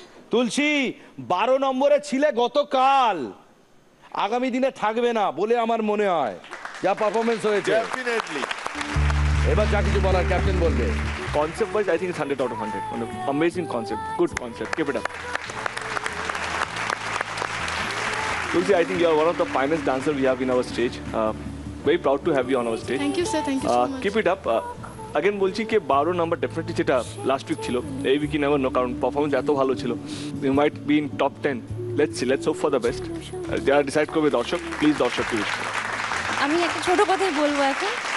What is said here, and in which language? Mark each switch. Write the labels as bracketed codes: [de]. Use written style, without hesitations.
[bn] তুলসী, 12 নম্বরে ছিলে গতকাল, আগামী দিনে থাকবে না বলে আমার মনে হয়, যা পারফরমেন্স হয়েছে। ডেফিনেটলি, এবার যা কিছু বলার ক্যাপ্টেন বলবে। [en] Concept wise I think 100 out of 100, মানে amazing concept, good concept, keep it up. Tulsi, I think you are one of the finest dancers we have in our stage. Very proud to have you on our stage. Thank you, sir. Thank you so much. Keep it up. [bn] Again, বলছি যে 12 নম্বর definitely যেটা last week ছিল, এই week [en] never know, [bn] কারণ performance এত ভালো ছিল। [en] You might be in top 10. Let's see. Let's hope for the best. [bn] যারা decide করবে দর্শক, please দর্শক কি বলছে। আমি একটা ছোট কথাই বলবো এখন।